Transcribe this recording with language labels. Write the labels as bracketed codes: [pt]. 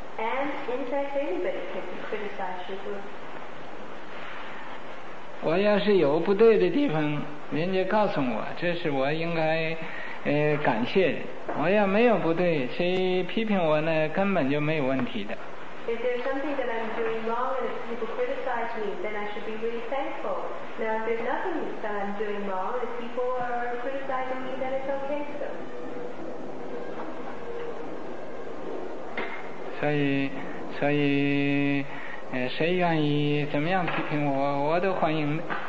[en] And in fact, anybody can criticize 师父。 [zh] 我要是有不对的地方，人家告诉我，这是我应该感谢人。我要没有不对，谁批评我呢，根本就没有问题的。 [en] If there's something that I'm doing wrong and if people criticize me, then I should be really thankful. Now, if there's nothing that I'm doing wrong and if people are criticizing me, then it's okay for them. [zh] 所以谁愿意怎么样批评我，我都欢迎的。